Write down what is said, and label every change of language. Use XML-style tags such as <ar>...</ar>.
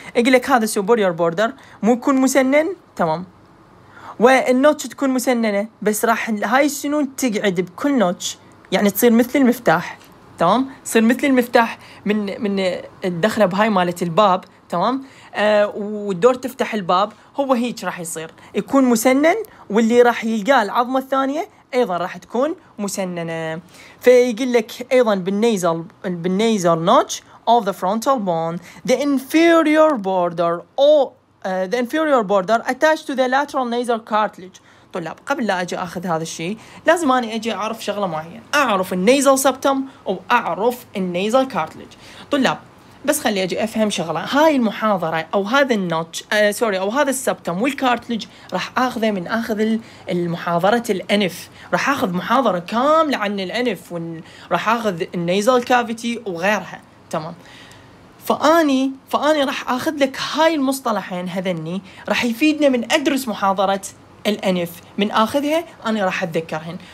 <ar>يقول لك هذا السوبريور بوردر مو يكون مسنن، تمام، والنوتش تكون مسننه، بس راح هاي السنون تقعد بكل نوتش، يعني تصير مثل المفتاح، تمام؟ صير مثل المفتاح من الدخلة بهاي مالت الباب، تمام؟ والدور تفتح الباب، هو هيك راح يصير، يكون مسنن، واللي راح يلقى العظمة الثانية أيضا راح تكون مسننة. فيقول لك أيضا بالنيزل</ar> <en>notch of the frontal bone the inferior border the inferior border attached to the lateral nasal cartilage.</en> <ar>طلاب قبل لا أجي أخذ هذا الشيء لازم أنا أجي أعرف شغلة معينة، أعرف النيزل سبتم وأعرف النيزل كارتليج. طلاب بس خلي أجي أفهم شغلة، هاي المحاضرة أو هذا النوتش أو هذا السبتم والكارتليج راح أخذه من أخذ المحاضرة الأنف، راح أخذ محاضرة كاملة عن الأنف، وراح أخذ النيزل كافيتي وغيرها، تمام؟ فأني راح أخذ لك هاي المصطلحين هذني، راح يفيدنا من أدرس محاضرة الأنف، من آخذها أنا راح أتذكرهن.</ar>